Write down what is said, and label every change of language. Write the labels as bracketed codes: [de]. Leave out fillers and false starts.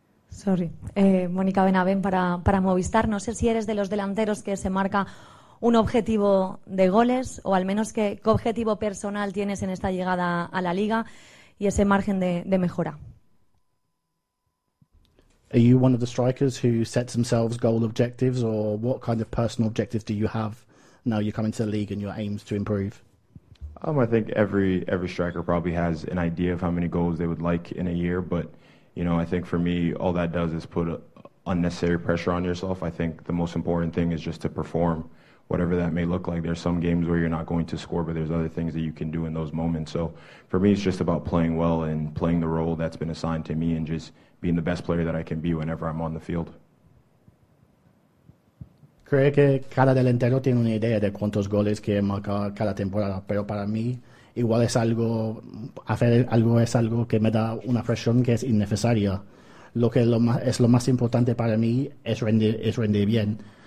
[en] Sorry. [es] Mónica Benavén para Movistar. No sé si eres de los delanteros que se marca un objetivo de goles o al menos qué objetivo personal tienes en esta llegada a la Liga y ese margen de mejora. [en] Are you one of the strikers who sets themselves goal objectives or what kind of personal objectives do you have now you're coming to the league and your aims to improve? I think every striker probably has an idea of how many goals they would like in a year, but you know, I think for me, all that does is put unnecessary pressure on yourself. I think the most important thing is just to perform, whatever that may look like. There's some games where you're not going to score, but there's other things that you can do in those moments. So for me, it's just about playing well and playing the role that's been assigned to me and just being the best player that I can be whenever I'm on the field. [es] Creo que cada delantero tiene una idea de cuántos goles quiere marcar cada temporada, pero para mí, igual es algo, hacer algo es algo que me da una presión que es innecesaria. Lo que es lo más importante para mí es rendir bien.